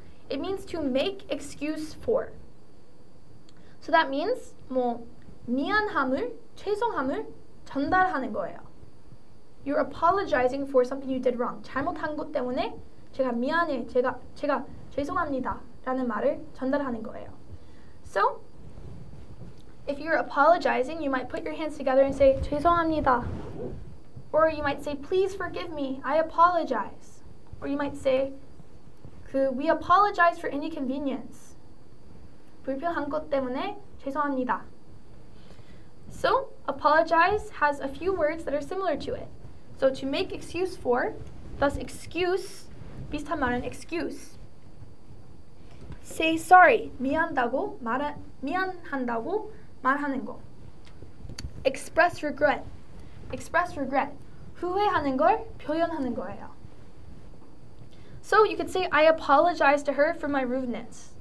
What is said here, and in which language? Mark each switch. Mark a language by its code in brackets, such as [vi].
[en] It means to make excuse for. So that means [ko] 뭐 미안함을, 죄송함을 전달하는 거예요. [en] You're apologizing for something you did wrong. [ko] 잘못한 것 때문에 제가 미안해, 제가 죄송합니다 라는 말을 전달하는 거예요. [en] So, if you're apologizing, you might put your hands together and say 죄송합니다. Or you might say, please forgive me, I apologize. Or you might say, we apologize for inconvenience. [ko] 불편한 것 때문에 죄송합니다. [en] So, apologize has a few words that are similar to it. So to make excuse for, [ko] Thus, excuse, 비슷한 말은 excuse. [en] Say sorry, [ko] 미안하다고 미안한다고 말하는 거. [en] Express regret, express regret. [ko] 후회하는 걸 표현하는 거예요. [en] So you could say, I apologize to her for my rudeness.